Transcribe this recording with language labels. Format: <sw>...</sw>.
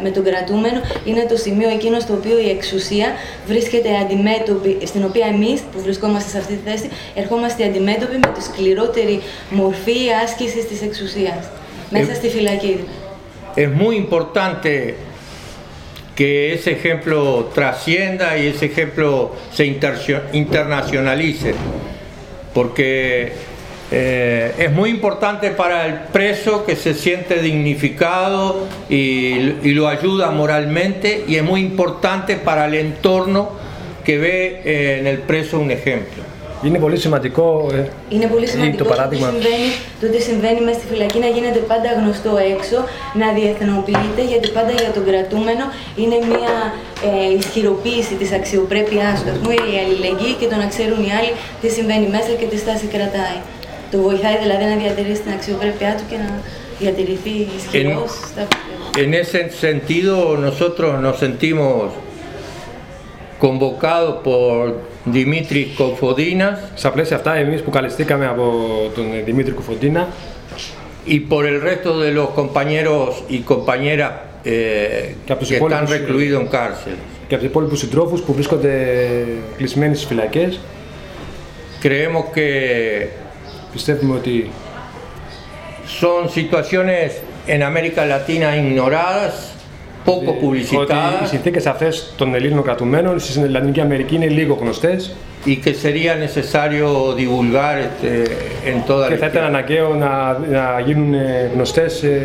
<el>με τον κρατούμενο, είναι το σημείο εκείνο στο οποίο η εξουσία βρίσκεται αντιμέτωπη, στην οποία εμείς που βρισκόμαστε σε αυτή τη θέση ερχόμαστε αντιμέτωποι με τη σκληρότερη μορφή άσκησης της εξουσίας μέσα στη φυλακή.</el> <es>Es muy importante que ese ejemplo trascienda y ese ejemplo se internacionalice, porque es muy importante para el preso que se siente dignificado y lo ayuda moralmente, y es muy importante para el entorno que ve en el preso un ejemplo.</es> <el>Είναι πολύ σημαντικό, είναι πολύ σημαντικό το παράδειγμα. Το ότι συμβαίνει μέσα στη φυλακή να γίνεται πάντα γνωστό έξω, να διεθνοποιείται, γιατί πάντα για τον κρατούμενο είναι μια ισχυροποίηση της αξιοπρέπειάς του. Ας πούμε η αλληλεγγύη και το να ξέρουν οι άλλοι τι συμβαίνει μέσα και τι στάση κρατάει. Το βοηθάει δηλαδή να διατηρήσει την αξιοπρέπειά του και να διατηρηθεί ισχυρός.</el> <es>En ese sentido, nosotros nos sentimos convocados por Δημήτρη Κοφοντίνα.</es> <el>Στα πλαίσια αυτά, εμείς που καλεστήκαμε από τον Δημήτρη Κοφοντίνα.</el> <es>Y por el resto de los compañeros y compañeras que están recluidos en cárcel.</es> <el>Και από τους υπόλοιπους συντρόφους που βρίσκονται κλεισμένοι στις φυλακές.</el> <es>Creemos que</es> <el>πιστεύουμε ότι</el> <es>son situaciones en América Latina ignoradas. Poco publicitadas.</es> <el>Ότι οι συνθήκες αυτές των Ελλήνων κρατουμένων στην Λατινική Αμερική είναι λίγο γνωστές.</el> <es>Y que sería necesario divulgar en toda</es> <el>και θα ήταν αναγκαίο να γίνουν γνωστές.</el>